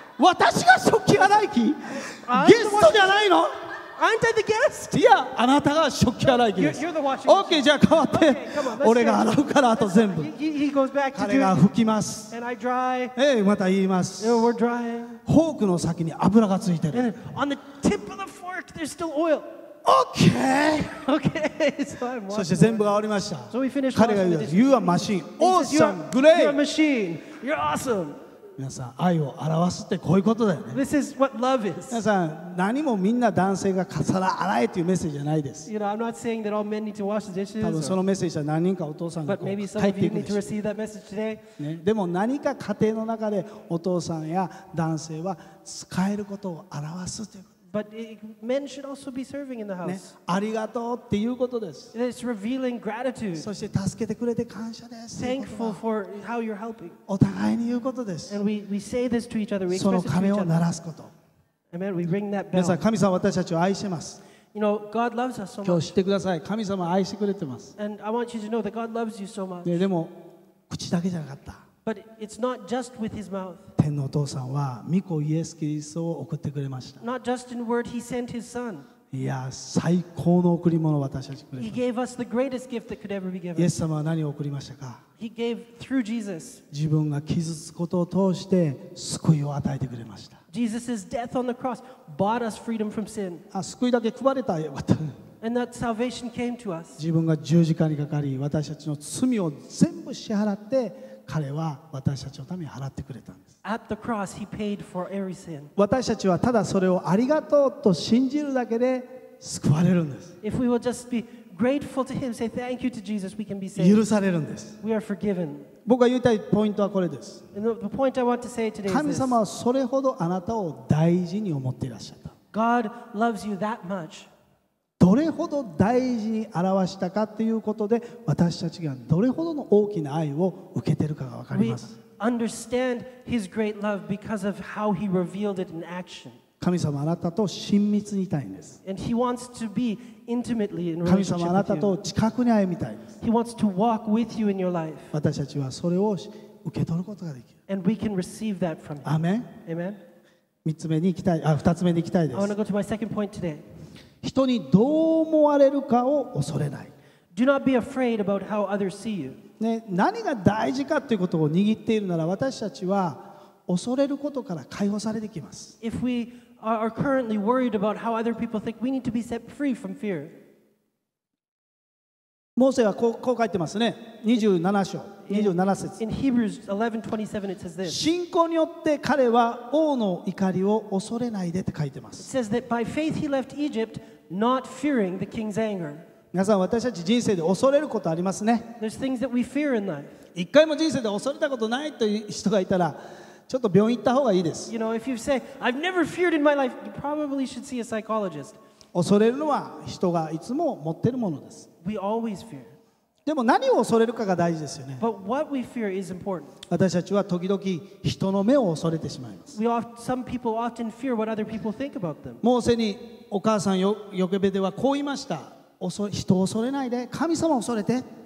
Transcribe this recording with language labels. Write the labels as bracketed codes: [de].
[ja] 私が食器洗い機？ゲストじゃないの？ [en] Aren't I the guest? [ja] いや、あなたが食器洗い機です。 [en] You're the washing machine. [ja] Okay, じゃあ変わって、 [en] okay, [ja] 俺が洗うから、あと全部。 [en] He goes back to [ja] 彼が拭きます。 [en] And I dry. [ja] Hey, また言います。 [en] You know, we're drying. [ja] フォークの先に油がついてる。 [en] On the tip of the fork, there's still oil. Okay. Okay. So I'm washing. So we finished. [ja] 彼が言うと、 [en] You are machine. Awesome. Great. You are machine. You're awesome. [ja] 皆さん、愛を表すってこういうことだよね。 [en] This is what love is. [ja] 皆さん、何もみんな男性が皿洗えっていうメッセージじゃないです。 [en] You know, I'm not saying that all men need to wash the dishes. [ja] 多分そのメッセージは何人かお父さんが [en] But maybe some of you need to receive that message today. [ja] ね。でも何か家庭の中でお父さんや男性は使えることを表すという。 [en] But men should also be serving in the house. [ja] ありがとうっていうことです。 [en] It's revealing gratitude. [ja] そして助けてくれて感謝です。 [en] Thankful for how you're helping. [ja] お互いに言うことです。 [en] And we say this to each other. We express it to each other. [ja] その鐘を鳴らすこと。 [en] Amen. We ring that bell. [ja] 皆さん、神様私たちを愛してます。 [en] You know, God loves us so much. [ja] 今日知ってください。神様愛してくれてます。 [en] And I want you to know that God loves you so much. [ja] でも口だけじゃなかった。 [en] But it's not just with his mouth. [ja] 天のお父さんは御子イエス・キリストを送ってくれました。 [en] Not just in word, he sent his son. [ja] いや、最高の贈り物を私たちにくれました。 [en] He gave us the greatest gift that could ever be given. [ja] イエス様は何を贈りましたか？ [en] He gave through Jesus. [ja] 自分が傷つくことを通して救いを与えてくれました。 [en] Jesus' death on the cross bought us freedom from sin. [ja] あ、救いだけ配れたよ。 [en] And that salvation came to us. [ja] 自分が十字架にかかり、私たちの罪を全部支払って、彼は私たちのために払ってくれたんです。 [en] At the cross, he paid for every sin. [ja] 私たちはただそれをありがとうと信じるだけで救われるんです。 [en] If we will just be grateful to him, say thank you to Jesus, we can be saved. [ja] 許されるんです。 [en] We are forgiven. [ja] 僕が言いたいポイントはこれです。 [en] The point I want to say today is this. [ja] 神様はそれほどあなたを大事に思っていらっしゃった。 [en] God loves you that much. [ja] どれほど大事に表したかということで私たちがどれほどの大きな愛を受けているかが分かります。 [en] We understand his great love because of how he revealed it in action. [ja] 神様あなたと親密にいたいんです。 [en] And he wants to be intimately in relationship with you. [ja] 神様あなたと近くに歩みたいです。 [en] He wants to walk with you in your life. [ja] 私たちはそれを受け取ることができる。 [en] And we can receive that from him. Amen. Amen. [ja] 3つ目に行きたい、あ、2つ目に行きたいです。 [en] I want to go to my second point today. [ja] 人にどう思われるかを恐れない。 [en] Do not be afraid about how others see you. [ja] ね、何が大事かということを握っているなら私たちは恐れることから解放されてきます。 [en] If we are currently worried about how other people think, we need to be set free from fear. [ja] モーセはこう書いてますね。 27章、27節。 [en] In Hebrews 11:27 it says this. [ja] 信仰によって彼は王の怒りを恐れないでって書いてます。 [en] It says that by faith he left Egypt, not fearing the king's anger. [ja] 皆さん、私たち人生で恐れることありますね。 [en] There's things that we fear in life. [ja] 一回も人生で恐れたことないという人がいたら、ちょっと病院行った方がいいです。 [en] You know, if you say, I've never feared in my life, you probably should see a psychologist. [ja] 恐れるのは人がいつも持っているものです。 [en] We always fear. [ja] でも何を恐れるかが大事ですよね。 [en] But what we fear is important. [ja] 私たちは時々人の目を恐れてしまいます。 [en] Some people often fear what other people think about them. [ja] モーセにお母さんヨケベではこう言いました。人を恐れないで、神様を恐れて。